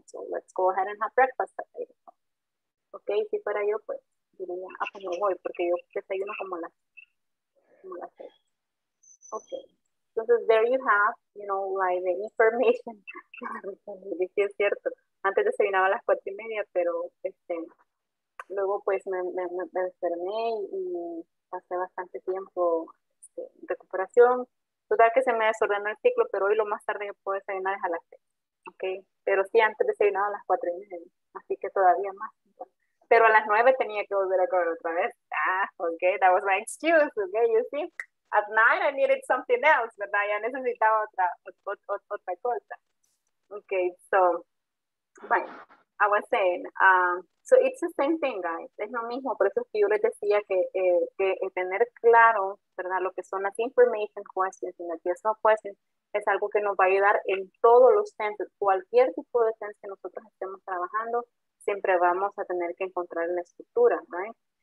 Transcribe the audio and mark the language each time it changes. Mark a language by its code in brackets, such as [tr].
[en] So let's go ahead and have breakfast at 8 o'clock. [es] Okay, si fuera yo, pues diría, pues no voy, porque yo desayuno como las 6. Okay. [en] Entonces, there you have, you know, like the information. [es] Sí, es cierto. Antes desayunaba a las 4:30, pero luego pues me desperté y pasé bastante tiempo en recuperación. Total que se me desordenó el ciclo, pero hoy lo más tarde que puedo desayunar es a las 6. ¿Okay? Pero sí, antes desayunaba a las 4:30. Así que todavía más. Pero a las 9 tenía que volver a comer otra vez. [en] Okay, that was my excuse. Okay, you see. At 9 I needed something else, ¿verdad? [es] Ya necesitaba otra cosa. [en] Okay, so, bueno, I was saying, so it's the same thing, guys. [es] Es lo mismo. Por eso es que yo les decía que tener claro, ¿verdad? Lo que son las information questions y las yes no questions es algo que nos va a ayudar en todos los tenses. Cualquier tipo de tense que nosotros estemos trabajando, siempre vamos a tener que encontrar la estructura, ¿right?